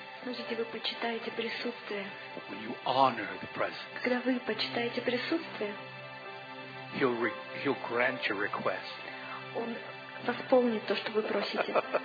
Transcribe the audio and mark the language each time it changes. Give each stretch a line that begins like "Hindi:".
Russian: Смотрите, вы почитаете присутствие.
English: When you honor the presence.
Russian: Когда вы почитаете присутствие.
English: He'll grant your request.
Russian: Он восполнит то, что вы просите.